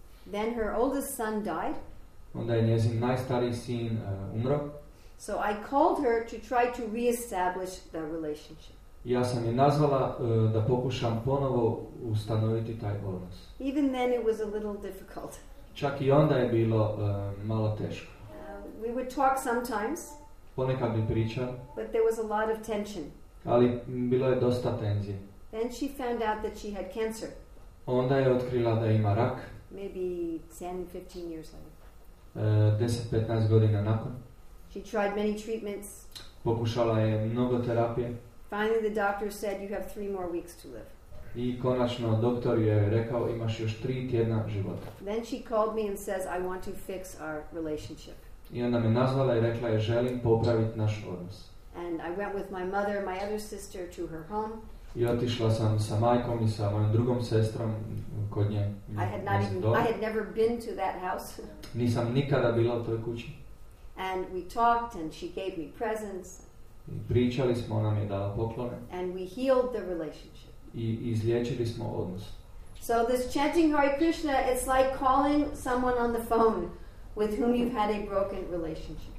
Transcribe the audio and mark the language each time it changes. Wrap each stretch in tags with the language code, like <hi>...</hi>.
<en>Then her oldest son died.</en> <hr>Onda je njezin najstariji sin umro.</hr> <en>So I called her to try to reestablish the relationship.</en> <hr>Ja sam je nazvala da pokušam ponovo ustanoviti taj odnos.</hr> <en>Even then it was a little difficult.</en> <hr>Čak i onda je bilo malo teško.</hr> <en>We would talk sometimes.</en> <hr>Ponekad bi pričali.</hr> <en>But there was a lot of tension.</en> <hr>Ali bilo je dosta tenzije.</hr> <en>Then she found out that she had cancer.</en> <hr>Onda je otkrila da ima rak.</hr> <en>Maybe 10-15 years later.</en> <hr>10-15 godina nakon.</hr> <en>She tried many treatments.</en> <hr>Pokušala je mnogo terapije.</hr> <en>Finally the doctor said you have 3 more weeks to live.</en> <hr>I konačno doktor je rekao imaš još 3 tjedna života.</hr> <en>Then she called me and says I want to fix our relationship.</en> <hr>I ona me nazvala i rekla je želim popraviti naš odnos.</hr> <en>And I went with my mother and my other sister to her home.</en> <hr>I otišla sam sa majkom i sa mojom drugom sestrom kod nje.</hr> <en>I had never been to that house.</en> <hr>Nisam nikada bila u toj kući.</hr> <en>And we talked and she gave me presents.</en> <hr>I pričali smo, ona mi je dala poklone.</hr> <en>And we healed the relationship.</en> <hr>I izliječili smo odnos.</hr> <en>So this chanting Hare Krishna, it's like calling someone on the phone with whom you've had a broken relationship.</en>